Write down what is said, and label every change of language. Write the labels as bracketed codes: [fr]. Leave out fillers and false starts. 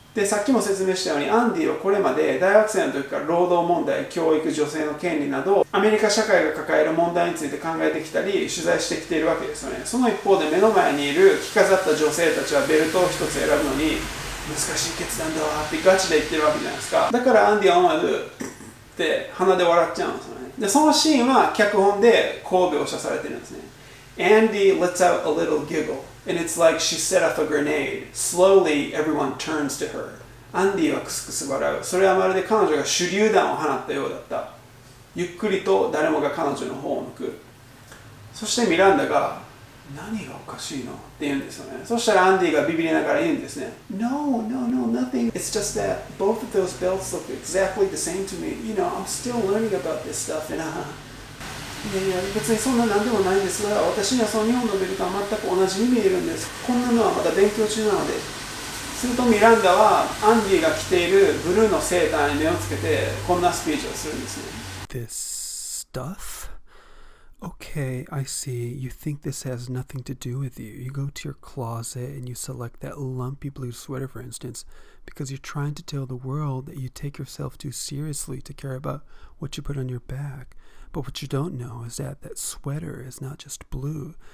[ja] でさっきも説明したようにアンディはこれまで大学生の時から労働問題、教育、女性の権利などアメリカ社会が抱える問題について考えてきたり取材してきているわけですよね。その一方で目の前にいる着飾った女性たちはベルトを一つ選ぶのに難しい決断だわってガチで言ってるわけじゃないですか。だからアンディは思わずって鼻で笑っちゃうんですよね。でそのシーンは脚本でこう描写されてるんですね。 [en] Andy lets out a little giggle, and it's like she set off a grenade. Slowly, everyone turns to her. Andy [ja] はクスクス笑う。それはまるで彼女が手榴弾を放ったようだった。ゆっくりと誰もが彼女の方を向く。そしてミランダが、何がおかしいのって言うんですよね。そしたらアンディがビビりながら言うんですね。 [en] No, no, no, nothing. It's just that both of those belts look exactly the same to me. You know, I'm still learning about this stuff, and [ja] いや別にそんな何でもないんですが、私にはその2本のベルトは全く同じに見えるんです。こんなのはまだ勉強中なので。するとミランダはアンディが着ているブルーのセーターに目をつけてこんなスピーチをするんですね。 [en] This stuff? Okay, I see. You think this has nothing to do with you. You go to your closet and you select that lumpy blue sweater, for instance, because you're trying to tell the world that you take yourself too seriously to care about what you put on your back. But what you don't know is that that sweater is not just blue.